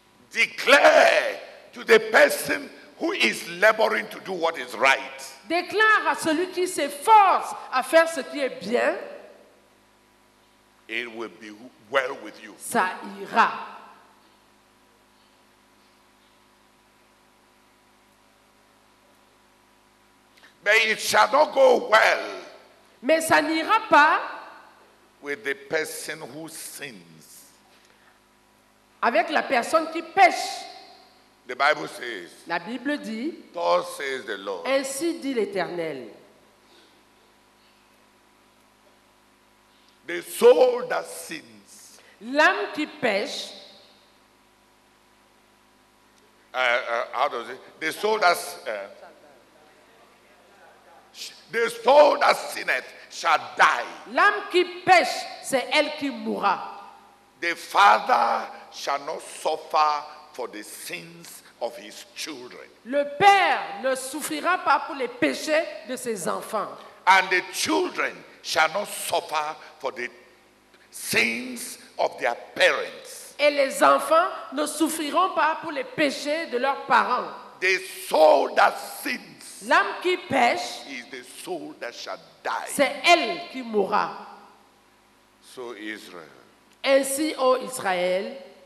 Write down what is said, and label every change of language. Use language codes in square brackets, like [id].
[en] Declare to the person who is laboring to do what is right. [fr] Déclare à celui qui s'efforce à faire ce qui est bien. [en] It will be well with you. [fr] Ça ira. [en] But it shall not go well. [fr] Mais ça n'ira pas. [en] With the person who sins. [fr] Avec la personne qui pêche. [en] The Bible says. [fr] La Bible dit. [en] Thus says the Lord. [fr] Ainsi dit l'Éternel. [en] The soul that sins. [fr] L'âme qui pêche. [en] How does it? The soul that the soul that sinneth shall die. [fr] L'âme qui pêche, c'est elle qui mourra. [en] The father shall not suffer for the sins of his children. [fr] Le père ne souffrira pas pour les péchés de ses enfants. [en] And the children shall not suffer for the sins of their parents. [fr] Et les enfants ne souffriront pas pour les péchés de leurs parents. [en] The soul that sins. [fr] L'âme qui pêche, [en] is the soul that shall die. [fr] C'est elle qui mourra. [en] So Israel, [fr] ainsi, ô Israël,